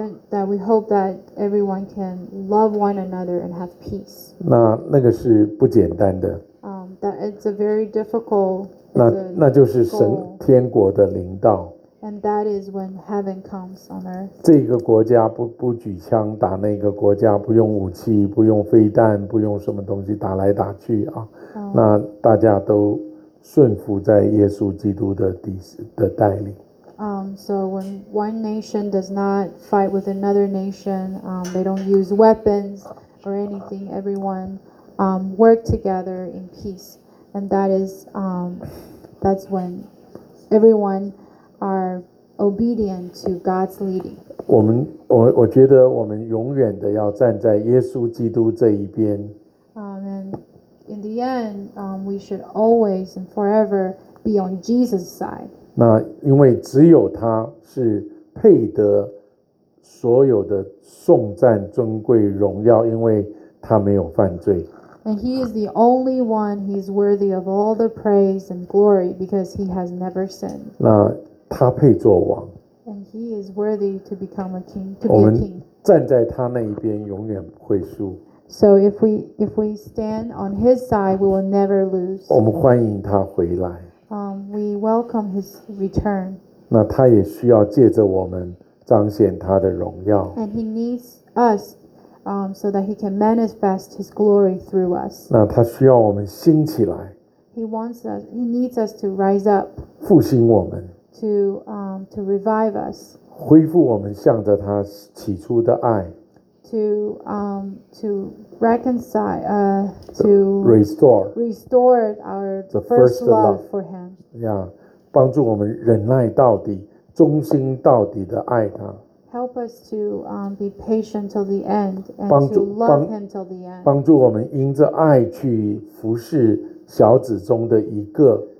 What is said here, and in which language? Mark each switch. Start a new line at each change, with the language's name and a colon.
English: that we hope that everyone can love one another and have peace.
Chinese: 那个是不简单的
English: that it's a very difficult
Chinese: 那就是神天国的临到
English: and that is when heaven comes on earth.
Chinese: 这个国家不举枪打那个国家，不用武器，不用飞弹，不用什么东西打来打去那大家都顺服在耶稣基督的带领。
English: So when one nation does not fight with another nation, they don't use weapons or anything. Everyone work together in peace, and that is that's when everyone are obedient to God's leading.
Chinese: 我觉得我们永远的要站在耶稣基督这一边。
English: And in the end, we should always and forever be on Jesus' side.
Chinese: 那因为只有他是配得所有的颂赞、尊贵、荣耀，因为他没有犯罪。
English: And he is the only one who is worthy of all the praise and glory because he has never sinned.
Chinese: 那他配做王。
English: And he is worthy to become a king.
Chinese: 我们站在他那一边，永远不会输。
English: So if we stand on his side, we will never lose.
Chinese: 我们欢迎他回来。
English: We welcome his return.
Chinese: 那他也需要借着我们彰显他的荣耀。
English: And he needs us so that he can manifest his glory through us.
Chinese: 那他需要我们兴起来。
English: He needs us to rise up.
Chinese: 复兴我们。
English: To revive us. 恢复我们向着他起初的爱。 To reconcile, to restore. Restore our first love for him.
Chinese: Yeah, 帮助我们忍耐到底，忠心到底的爱他。
English: Help us to be patient till the end and to love him till the end.
Chinese: 帮助我们因着爱去服侍小子中的一个。